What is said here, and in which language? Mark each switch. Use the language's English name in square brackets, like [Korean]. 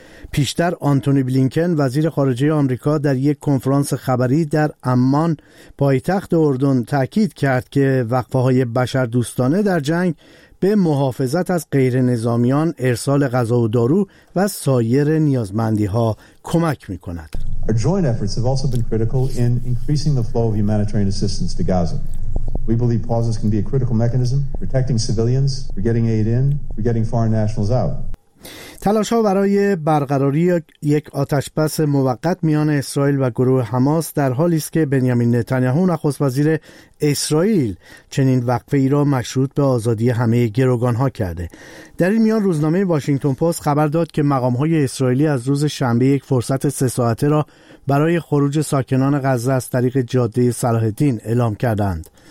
[Persian] پیشتر آنتونی بلینکن وزیر خارجه آمریکا در یک کنفرانس خبری در عمان پایتخت اردن تاکید کرد که وقفه‌های بشر دوستانه در جنگ به محافظت از غیر نظامیان، ارسال غذا و دارو و سایر نیازمندی‌ها کمک می‌کند. [English] Our joint efforts have also been critical in increasing the flow of humanitarian assistance to Gaza. We believe pauses can be a critical mechanism protecting civilians, we're getting aid in, we're getting foreign nationals out. [Persian] تلاش‌ها برای برقراری یک آتش‌بس موقت میان اسرائیل و گروه حماس در حالی است که بنیامین نتانیاهو نخست وزیر اسرائیل چنین وقفه‌ای را مشروط به آزادی همه گروگان‌ها کرده. در این میان روزنامه واشنگتن پست خبر داد که مقام‌های اسرائیلی از روز شنبه یک فرصت 3 ساعته را برای خروج ساکنان غزه از طریق جاده صلاح الدین اعلام کردند.